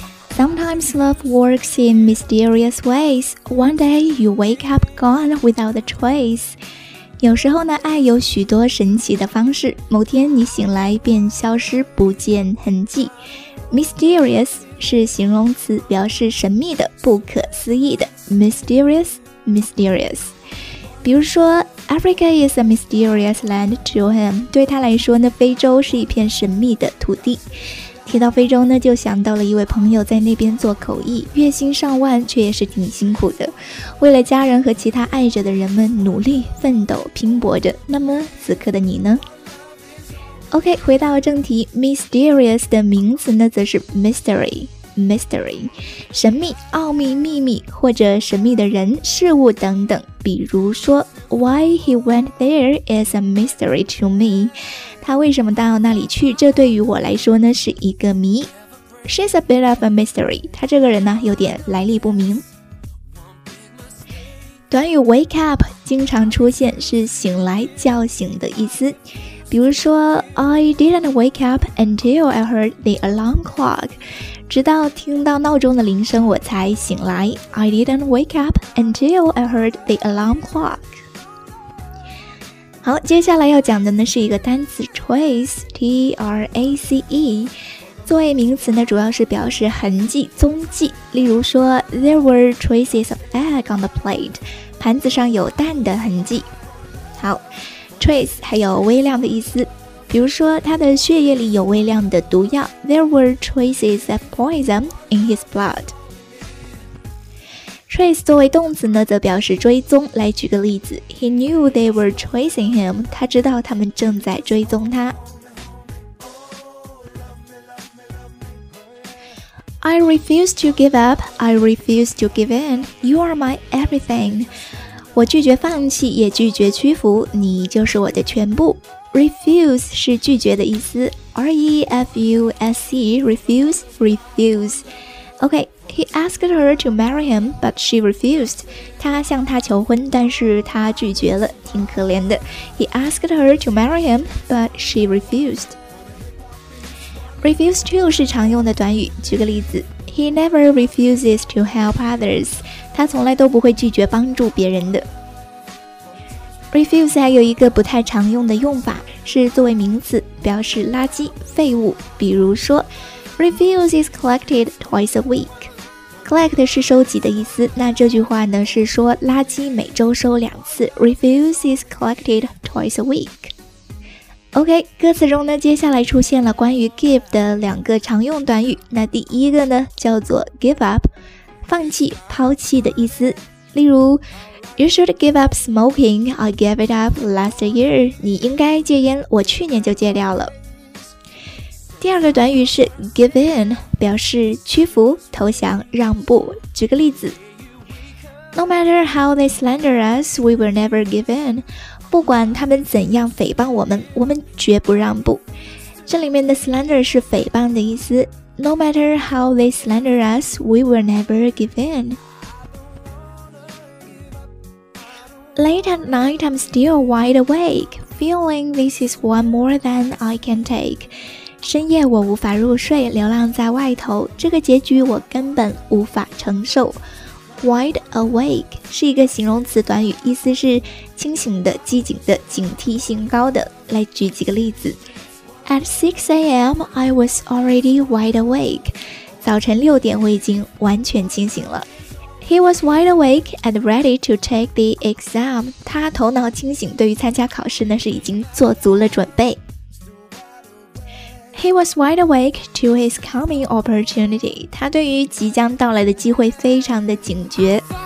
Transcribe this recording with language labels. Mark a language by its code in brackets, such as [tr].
[en] Sometimes love works in mysterious ways. One day you wake up gone without a trace. [zh] 有时候呢，爱有许多神奇的方式，某天你醒来便消失不见痕迹。 Mysterious 是形容词，表示神秘的，不可思议的。 [en] Mysterious, mysterious. [zh] 比如说 [en] Africa is a mysterious land to him. [zh] 对他来说呢，非洲是一片神秘的土地。提到非洲呢，就想到了一位朋友在那边做口译，月薪上万，却也是挺辛苦的，为了家人和其他爱着的人们努力奋斗拼搏着。那么此刻的你呢？ OK， 回到正题， Mysterious 的名词呢则是 Mystery， Mystery， 神秘、奥秘、秘密，或者神秘的人、事物等等。比如说 [en] Why he went there is a mystery to me， [zh] 他为什么到那里去，这对于我来说呢是一个谜。 [en] She's a bit of a mystery， [zh] 他这个人呢有点来历不明。短语 wake up 经常出现，是醒来、叫醒的意思。 [en] 比如说 I didn't wake up until I heard the alarm clock， [zh] 直到听到闹钟的铃声我才醒来。 [en] I didn't wake up until I heard the alarm clock。 [zh] 好，接下来要讲的呢是一个单词 trace， T-R-A-C-E， 作为名词呢主要是表示痕迹、踪迹。 [en] 例如说 There were traces of egg on the plate， [zh] 盘子上有蛋的痕迹。好， trace 还有微量的意思，比如说他的血液里有微量的毒药。 [en] There were traces of poison in his blood。 [zh] Trace 作为动词呢则表示追踪。来举个例子， [en] He knew they were tracing him， [zh] 他知道他们正在追踪他。 [en] I refuse to give up， I refuse to give in， You are my everything， [zh] 我拒绝放弃也拒绝屈服，你就是我的全部。 Refuse 是拒绝的意思， R-E-F-U-S-E， Refuse， Refuse。 [en] OK，He asked her to marry him, but she refused. [zh] 他向她求婚，但是她拒绝了，挺可怜的。 [en] He asked her to marry him, but she refused. Refuse to 是常用的短语， [zh] 举个例子， [en] He never refuses to help others. [zh] 他从来都不会拒绝帮助别人的。Refuse 还有一个不太常用的用法，是作为名词，表示垃圾、废物。 [en] 比如说， Refuse is collected twice a week. [zh] Collect 是收集的意思，那这句话呢是说垃圾每周收两次， [en] Refuse is collected twice a week。 [zh] OK， 歌词中呢接下来出现了关于 give 的两个常用短语，那第一个呢叫做 give up， 放弃、抛弃的意思。 [en] 例如 You should give up smoking， I gave it up last year， [zh] 你应该戒烟，我去年就戒掉了。第二个短语是 give in， 表示屈服、投降、让步。举个例子， [en] No matter how they slander us, we will never give in， [zh] 不管他们怎样诽谤我们，我们绝不让步。这里面的 [en] slander [zh] 是诽谤的意思， [en] No matter how they slander us, we will never give in。 Late at night, I'm still wide awake, feeling this is one more than I can take， [zh] 深夜我无法入睡，流浪在外头，这个结局我根本无法承受。 Wide awake 是一个形容词短语，意思是清醒的、机警的、警惕性高的。来举几个例子， [en] At 6 a.m. I was already wide awake， [zh] 早晨六点我已经完全清醒了。 [en] He was wide awake and ready to take the exam， [zh] 他头脑清醒，对于参加考试呢是已经做足了准备。 [en] He was wide awake to his coming opportunity. [zh] 他对于即将到来的机会非常的警觉。